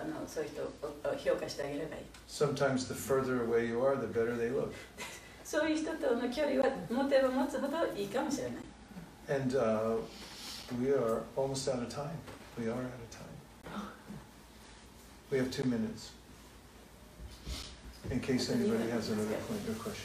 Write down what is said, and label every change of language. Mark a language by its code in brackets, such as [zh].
[ja] 遠くからね、そういう人を評価してあげればいい。 [en] Sometimes the further away you are, the better they look. [ja] そういう人との距離は持てば持つほどいいかもしれない。 [en] And we are almost out of time. We are out of time. We have 2 minutes. In case anybody has another point or question.